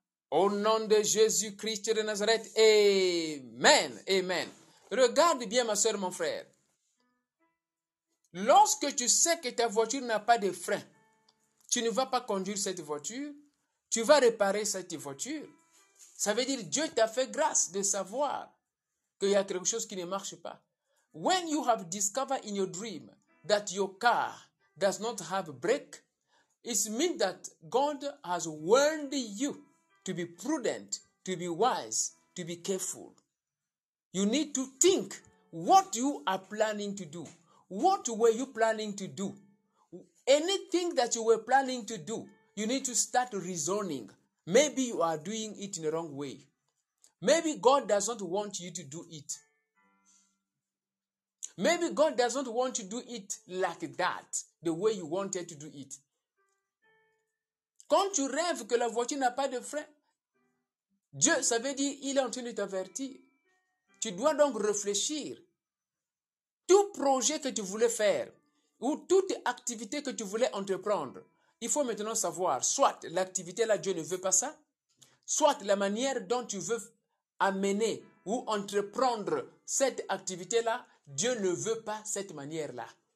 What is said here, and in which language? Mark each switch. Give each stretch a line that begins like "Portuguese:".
French: Au nom de Jésus-Christ de Nazareth. Amen. Amen. Regarde bien, ma soeur, mon frère. Lorsque tu sais que ta voiture n'a pas de frein, tu ne vas pas conduire cette voiture, tu vas réparer cette voiture. Ça veut dire Dieu t'a fait grâce de savoir qu'il y a quelque chose qui ne marche pas.
English: When you have discovered in your dream that your car does not have brake, it means that God has warned you to be prudent, to be wise, to be careful. You need to think what you are planning to do. What were you planning to do? Anything that you were planning to do, you need to start reasoning. Maybe you are doing it in the wrong way. Maybe God does not want you to do it. Maybe God does not want you to do it like that, the way you wanted to do it.
French: Quand tu rêves que la voiture n'a pas de frein, Dieu, ça veut dire qu'il est en train de t'avertir. Tu dois donc réfléchir. Tout projet que tu voulais faire ou toute activité que tu voulais entreprendre, il faut maintenant savoir, soit l'activité-là, Dieu ne veut pas ça, soit la manière dont tu veux amener ou entreprendre cette activité-là, Dieu ne veut pas cette manière-là.